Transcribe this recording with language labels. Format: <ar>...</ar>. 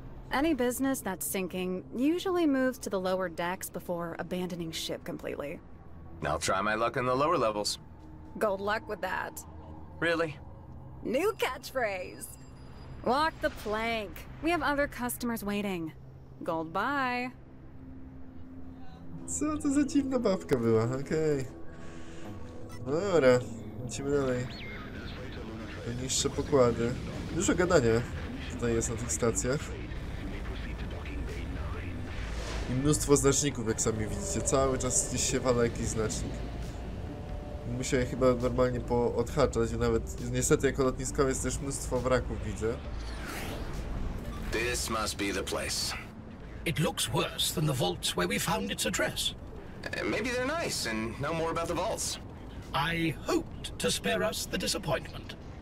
<en>Any business that's sinking usually moves to the lower decks before abandoning ship completely. I'll try my luck in the lower levels. Good luck with that. Really? New catchphrase. Walk the plank. We have other customers waiting. Goodbye.</en> <pl>Co to za dziwna babka była? Okej. Okay. Dobra, lecimy dalej. Te niższe pokłady. Dużo gadania tutaj jest na tych stacjach. I mnóstwo znaczników, jak sami widzicie. Cały czas gdzieś się wala jakiś znacznik. Musiałem chyba normalnie poodhaczać, nawet niestety jako lotnisko jest też mnóstwo wraków, widzę.</pl> <en>This must be the place. It looks worse than the vaults where we found its address. Maybe they're nice and know more about the vaults. I hoped to spare us the disappointment.</en>